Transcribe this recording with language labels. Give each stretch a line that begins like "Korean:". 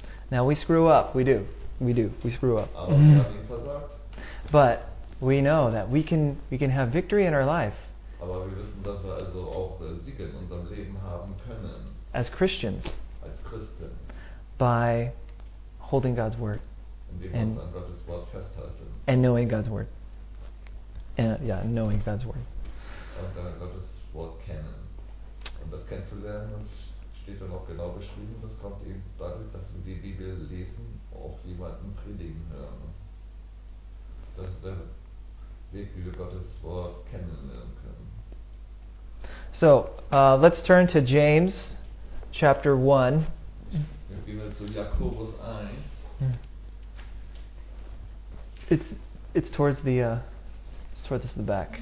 English: Now we screw up, we screw up. But we know that we can have victory in our life.
German: Aber wir wissen, dass wir also auch Siege in unserem Leben haben können.
English: As Christians.
German: Als Christen.
English: By holding God's word.
German: Indem wir uns an Gottes Wort festhalten.
English: And knowing God's word. Knowing God's word.
German: Und Gottes Wort kennen. Und das kennenzulernen, das steht dann auch genau beschrieben. Das kommt eben dadurch, dass wir die Bibel lesen, auch jemanden predigen hören. Das ist der Weg, wie wir Gottes Wort kennenlernen können.
English: So, let's turn to James, chapter 1.
German: Wir gehen zu Jakobus 1.
English: It's towards the It's towards the back.